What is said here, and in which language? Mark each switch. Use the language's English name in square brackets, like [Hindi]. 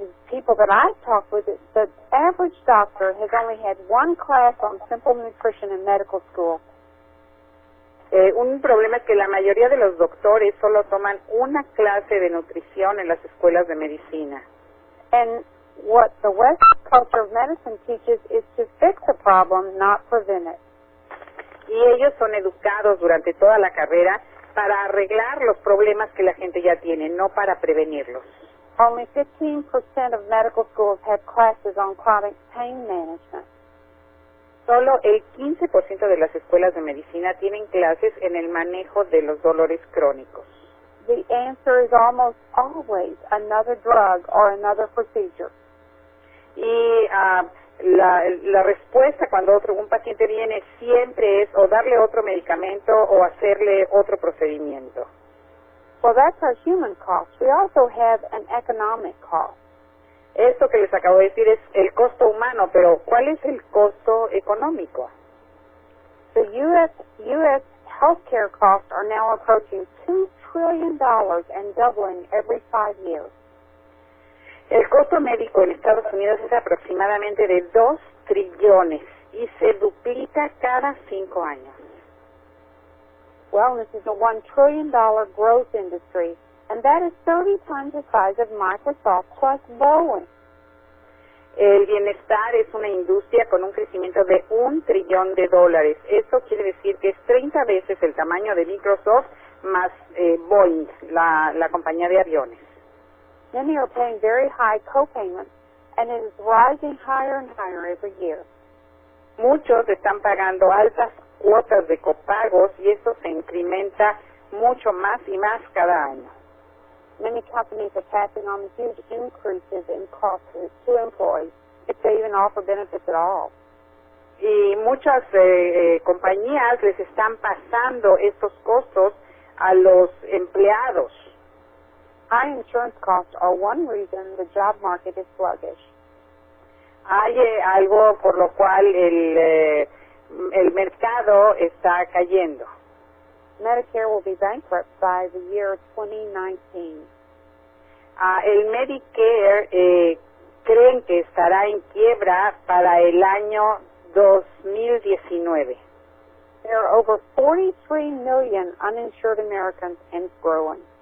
[English] People that I've talked with, the average doctor has only had one class on simple nutrition in medical school. [Spanish] Un problema es que la mayoría de los doctores solo toman una clase de nutrición en las escuelas de medicina. [English] And what the Western culture of medicine teaches is to fix a problem, not prevent it. [Spanish] Y ellos son educados durante toda la carrera para arreglar los problemas que la gente ya tiene, no para prevenirlos. [English] Only 15% of medical schools have classes on chronic pain management. [Spanish] Solo el 15% de las escuelas de medicina tienen clases en el manejo de los dolores crónicos. [English] The answer is almost always another drug or another procedure. [Spanish] Y la respuesta cuando un paciente viene siempre es o darle otro medicamento o hacerle otro procedimiento. [English] Well, that's our human cost. We also have an economic cost. [Spanish] Esto que les acabo de decir es el costo humano, pero ¿cuál es el costo económico? [English] The U.S. healthcare costs are now approaching $2 trillion and doubling every 5 years. [Spanish] El costo médico en Estados Unidos es aproximadamente de 2 trillones y se duplica cada 5 años. [English] Wellness is a $1 trillion growth industry, and that is 30 times the size of Microsoft plus Boeing. [Spanish] El bienestar es una industria con un crecimiento de $1 trillón. Eso quiere decir que es 30 veces el tamaño de Microsoft más Boeing, la compañía de aviones. [English] Many are paying very high co-payments, and it is rising higher and higher every year. [Spanish] Muchos están pagando altas cuotas de copagos y eso se incrementa mucho más y más cada año. [English] Many companies are passing on huge increases in costs to employees if they even offer benefits at all. [Spanish] Y muchas compañías les están pasando estos costos a los empleados. [English] High insurance costs are one reason the job market is sluggish. [Spanish] Hay algo por lo cual el mercado está cayendo. [English] Medicare will be bankrupt by the year 2019. [Spanish] El Medicare creen que estará en quiebra para el año 2019. [English] There are over 43 million uninsured Americans and growing.